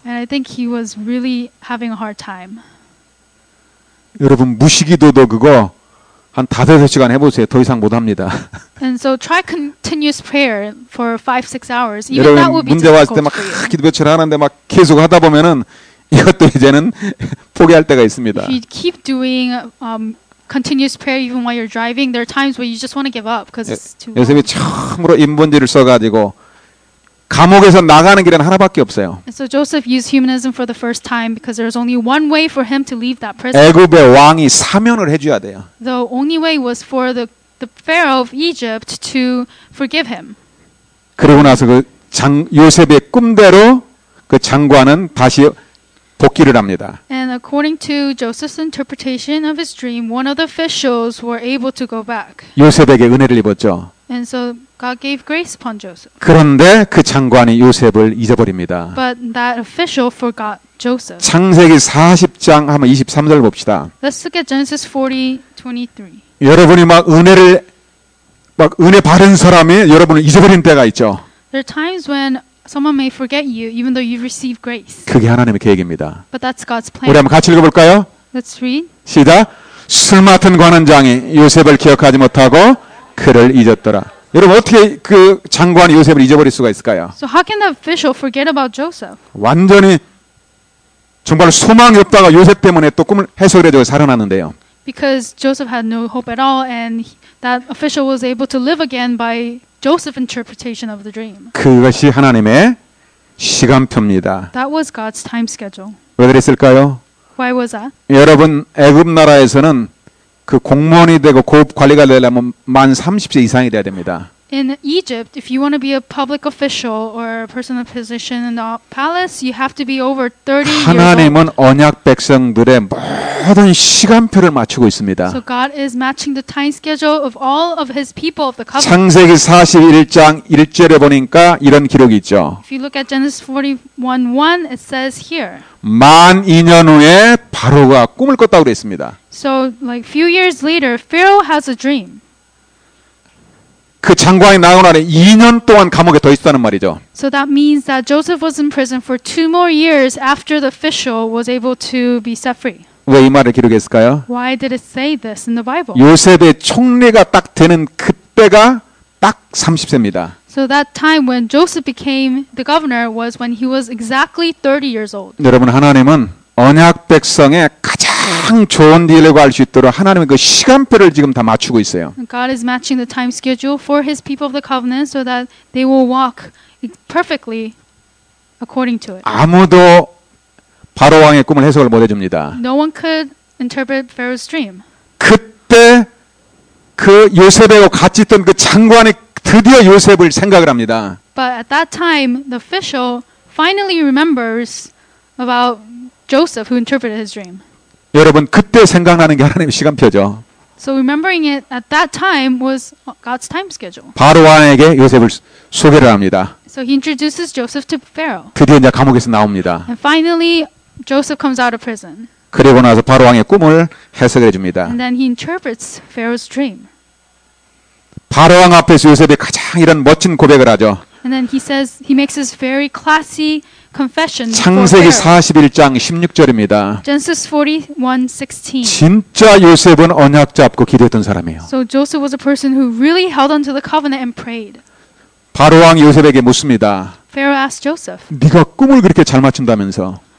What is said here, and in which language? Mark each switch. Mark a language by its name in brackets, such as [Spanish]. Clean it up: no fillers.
[English] And I think he was really having a hard time. [Korean] 여러분 무시기도도 그거 한 5, 6시간 해보세요. 더 이상 못합니다. [English] And so try continuous prayer for 5-6 hours. Even that would be difficult. [Korean] 문제 왔을 때 막 기도 며칠 하는데 막 계속 하다 보면은 이것도 이제는 포기할 때가 있습니다. [English] If you keep doing continuous prayer even while you're driving, there are times where you just want to give up because it's too. [Korean] 요셉이 처음으로 인본주의를 써가지고 감옥에서 나가는 길은 하나밖에 없어요. [English] And so Joseph used humanism for the first time because there was only one way for him to leave that prison. [Korean] 애굽의 왕이 사면을 해줘야 돼요. [English] The only way was for the Pharaoh of Egypt to forgive him. [Korean] 그리고 나서 그 요셉의 꿈대로 그 장관은 다시 복귀를 합니다. [English] And according to Joseph's interpretation of his dream, one of the officials were able to go back. [Korean] 요셉에게 은혜를 입었죠. [English] And so God gave grace upon Joseph. [Korean] 그런데 그 장관이 요셉을 잊어버립니다. [English] But that official forgot Joseph. [Korean] 창세기 40장 한번 23절 봅시다. [English] Let's look at Genesis 40:23. [Korean] 여러분이 막 은혜 받은 사람이 여러분을 잊어버린 때가 있죠. [English] There are times when someone may forget you even though you receive grace. [Korean] 그게 하나님의 계획입니다. [English] But that's God's plan. [Korean] 우리 한번 같이 읽어 볼까요? [English] Let's read. [Korean] 시작. 술 맡은 관원장이 요셉을 기억하지 못하고 그를 잊었더라. 여러분 어떻게 그 장관이 요셉을 잊어버릴 수가 있을까요? [English] So how can the official forget about Joseph? [Korean] 완전히 정말 소망이 없다가 요셉 때문에 또 꿈을 해석해서 살아났는데요. [English] Because Joseph had no hope at all and that official was able to live again by Joseph's interpretation of the dream. [Korean] 그것이 하나님의 시간표입니다. [English] That was God's time schedule. [Korean] 왜 그랬을까요? [English] Why was that? [Korean] 여러분 애굽 나라에서는 그 공무원이 되고 고급 관리가 되려면 만 30세 이상이 돼야 됩니다. [English] In Egypt, if you want to be a public official or a person of position in the palace, you have to be over 30 years old. [Korean] 하나님은 언약 백성들의 모든 시간표를 맞추고 있습니다. [English] So God is matching the time schedule of all of his people of the covenant. [Korean] 창세기 41장 1절에 보니까 이런 기록이 있죠. [English] If you look at Genesis 41:1, it says here. [Korean] 만 2년 후에 바로가 꿈을 꿨다고 그랬습니다. [English] So like few years later, Pharaoh has a dream. [Korean] 그 장관이 나온 아래 2년 동안 감옥에 더 있었다는 말이죠. [English] So that means that Joseph was in prison for two more years after the official was able to be set free. [Korean] 왜 이 말을 기록했을까요? [English] Why did it say this in the Bible? [Korean] 요셉의 총리가 딱 되는 그때가 딱 30세입니다. [English] So that time when Joseph became the governor was when he was exactly 30 years old. [Korean] 여러분 하나님은 언약 백성의 가장 좋은 딜을 할 수 있도록 하나님의 그 시간표를 지금 다 맞추고 있어요. [English] God is matching the time schedule for his people of the covenant so that they will walk perfectly according to it. [Korean] 아무도 바로 왕의 꿈을 해석을 못 해 줍니다. [English] No one could interpret Pharaoh's dream. [Korean] 그때 그 요셉하고 같이 있던 그 장관이 드디어 요셉을 생각을 합니다. [English] But at that time the official finally remembers about Joseph who interpreted his dream. [Korean] 여러분 그때 생각나는 게 하나님의 시간표죠. [English] So remembering it at that time was God's time schedule. [Korean] 바로 왕에게 요셉을 소개를 합니다. [English] So he introduces Joseph to Pharaoh. [Korean] 드디어 이제 감옥에서 나옵니다. [English] And finally Joseph comes out of prison. [Korean] 그리고 나서 바로 왕의 꿈을 해석해 줍니다. [English] And then he interprets Pharaoh's dream. [Korean] 바로 왕 앞에서 요셉이 가장 이런 멋진 고백을 하죠. [English] And then he says he makes this very classy confession. [Korean] 창세기 41장 16절입니다. [English] Genesis 41:16. [Korean] 진짜 요셉은 언약 잡고 기도했던 사람이에요. [English] So Joseph was a person who really held onto the covenant and prayed. [Korean] 바로 왕 요셉에게 묻습니다. [English] Pharaoh asked Joseph. [Korean] 네가 꿈을 그렇게 잘 맞춘다면서?